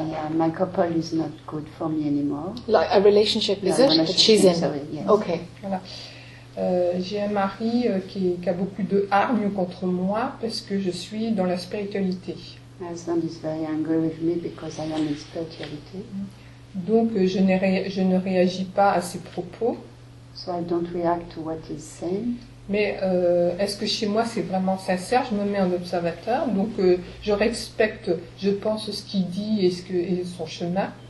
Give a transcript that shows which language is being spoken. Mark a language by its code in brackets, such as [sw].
[en] My couple is not good for me anymore. Like a relationship, is it? That she's in. Sorry, yes. Okay. [fr] Voilà. J'ai un mari qui a beaucoup de hargne contre moi parce que je suis dans la spiritualité. [en] My husband is very angry with me because I am in spirituality. [fr] Donc je ne réagis pas à ses propos. [en] So I don't react to what he's saying. [fr] Mais est-ce que chez moi c'est vraiment sincère? Je me mets en observateur, donc je respecte, je pense ce qu'il dit et son chemin.